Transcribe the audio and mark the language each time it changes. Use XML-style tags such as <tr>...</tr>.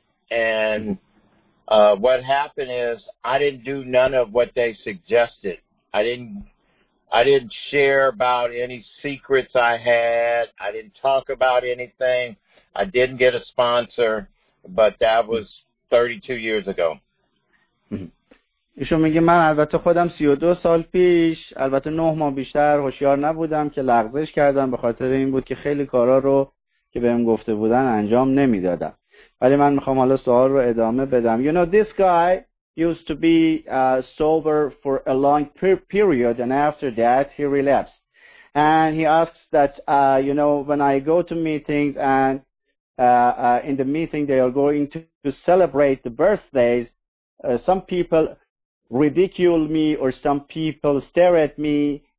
<en>And what happened is I didn't do none of what they suggested. I didn't share about any secrets I had. I didn't talk about anything. I didn't get a sponsor, but that was 32 years ago.</en> <fa>ایشون میگه من البته خودم 32 سال پیش، البته 9 ماه بیشتر هوشیار نبودم که لغزش کردم، به خاطر این بود که خیلی کارا رو که بهم گفته بودن انجام نمیدادم. ولی من میخوام حالا سوال رو ادامه بدم.</fa> <en>You know this guy used to be sober for a long period, and after that he relapsed. And he asks that, you know, when I go to meetings and in the meeting they are going to celebrate the birthdays, some people ridicule me or some people stare at me.</en>